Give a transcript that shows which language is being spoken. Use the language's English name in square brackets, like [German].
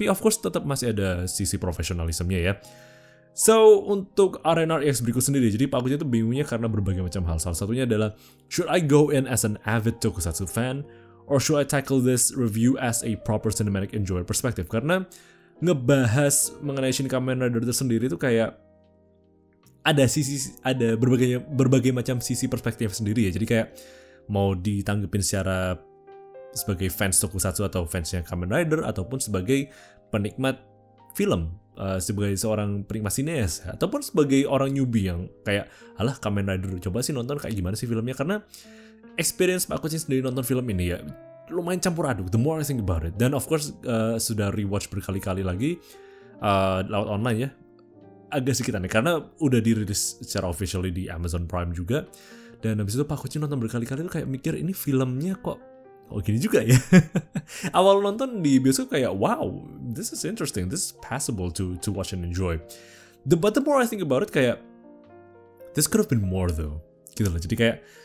[Indonesian] Tapi of course tetap masih ada sisi profesionalismenya ya. So, untuk RNREx berikut sendiri, jadi Pak Kucing itu bingungnya karena berbagai macam hal. Salah satunya adalah, [English] should I go in as an avid tokusatsu fan, or should I tackle this review as a proper cinematic enjoyer perspective? [Indonesian] Karena ngebahas mengenai Shin Kamen Rider tersendiri itu kayak ada sisi, ada berbagai macam sisi perspektif sendiri ya. Jadi kayak mau ditanggepin secara sebagai fans tokusatsu atau fansnya Kamen Rider, ataupun sebagai penikmat film. Sebagai seorang penikmat sineas ataupun sebagai orang newbie yang kayak alah Kamen Rider, coba sih nonton kayak gimana sih filmnya. Karena experience Pak Kucing sendiri nonton film ini ya lumayan campur aduk, [English] the more I think about it. [Indonesian] Dan of course sudah rewatch berkali-kali lagi lewat online ya, agak sedikit aneh karena udah dirilis secara officially di Amazon Prime juga. Dan habis itu Pak Kucing nonton berkali-kali tuh kayak mikir, ini filmnya kok gini juga ya. Awal nonton di bioskop kayak wow, [English] this is interesting, this is passable to watch and enjoy. But the more I think about it, kayak this could have been more though. [Indonesian] Gitu lah. Jadi kayak